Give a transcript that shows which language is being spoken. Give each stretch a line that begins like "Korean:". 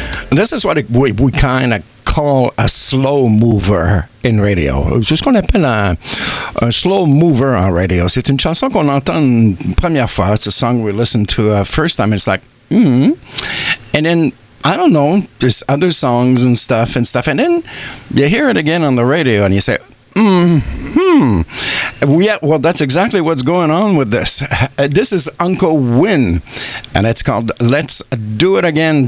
English: This is what we kind of call a slow mover in radio.
French: C'est ce qu'on appelle un
English: slow mover
French: en radio. C'est une chanson qu'on entend une première fois.
English: It's a song we listen to first time. It's like, And then, I don't know, there's other songs and stuff and stuff. And then you hear it again on the radio and you say, Well, that's exactly what's going on with this. This is Uncle Wynn, and it's called Let's Do It Again.